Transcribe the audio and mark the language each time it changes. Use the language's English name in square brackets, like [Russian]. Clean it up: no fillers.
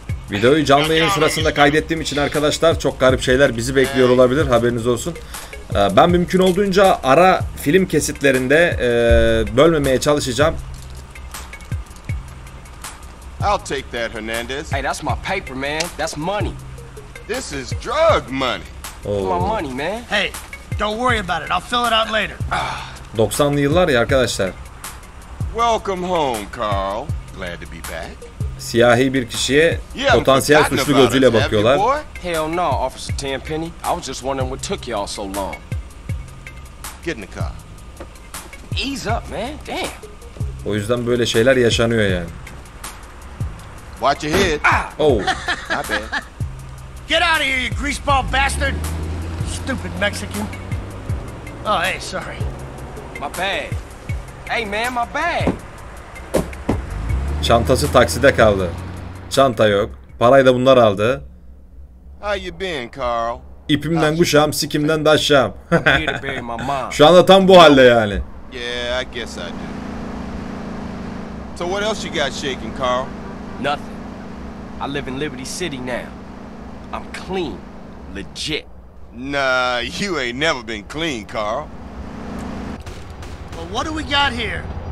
[Turkish] Videoyu canlı yayın sırasında kaydettiğim için arkadaşlar çok garip şeyler bizi bekliyor olabilir, haberiniz olsun. Ben mümkün olduğunca ara film kesitlerinde bölmemeye çalışacağım. [English] I'll take that, Hernandez. Hey, that's my paper, man. That's money. This is drug money. Oh. My money, man. Hey, don't worry about it. I'll fill it out later. [Turkish] 90'lı yıllar ya arkadaşlar. [English] Welcome home, Carl. Glad to be back. [Turkish] Siyahi bir kişiye potansiyel suçlu gözüyle bakıyorlar. [English] Hell no, Officer Tenpenny. I was just wondering what took y'all so long. Get in the car. Ease up, man. Damn. [Turkish] O yüzden böyle şeyler yaşanıyor yani. [English] Watch your head. Oh. Get out of here, you greaseball bastard. Stupid Mexican. Oh, hey, sorry. My bag. Hey man, my bag. [Turkish] Çantası takside kaldı. Çanta yok. Parayı da bunlar aldı. [English] How you been, Carl? [Turkish] İpimden kuşağım, sikimden de aşağım. Şu anda tam bu halde yani. [English] Yeah, I guess I do. So what else you got shaking, Carl? Nothing. I live in Liberty City now. I'm clean. Legit. Nah, you ain't never been clean, Carl. Well, what do we got here?